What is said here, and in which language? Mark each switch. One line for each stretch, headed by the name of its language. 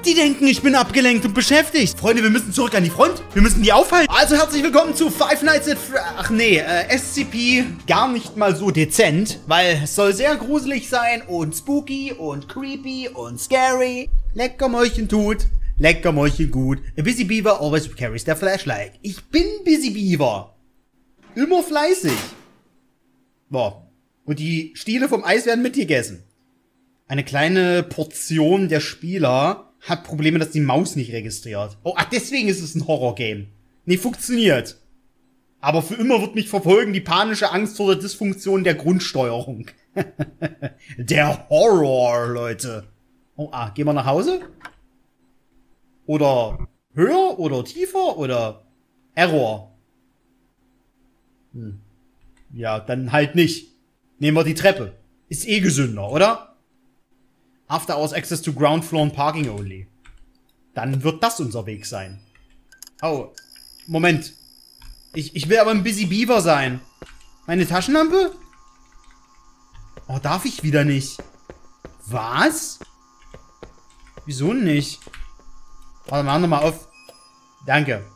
German: Die denken, ich bin abgelenkt und beschäftigt. Freunde, wir müssen zurück an die Front. Wir müssen die aufhalten. Also herzlich willkommen zu Five Nights at SCP gar nicht mal so dezent, weil es soll sehr gruselig sein und spooky und creepy und scary. Lecker Mäulchen tut. Lecker Mäulchen gut.
English: A busy beaver always carries their flashlight.
German: Ich bin Busy Beaver. Immer fleißig. Boah. Und die Stiele vom Eis werden mitgegessen. Eine kleine Portion der Spieler hat Probleme, dass die Maus nicht registriert. Oh, ach, deswegen ist es ein Horrorgame. Nee, funktioniert. Aber für immer wird mich verfolgen die panische Angst vor der Dysfunktion der Grundsteuerung. Der Horror, Leute. Oh, ah, gehen wir nach Hause? Oder höher oder tiefer oder Error? Ja, dann halt nicht. Nehmen wir die Treppe. Ist eh gesünder, oder?
English: After hours access to ground floor and parking only.
German: Dann wird das unser Weg sein. Oh, Moment. Ich will aber ein Busy Beaver sein. Meine Taschenlampe? Oh, darf ich wieder nicht? Was? Wieso nicht? Warte, mach nochmal auf. Danke.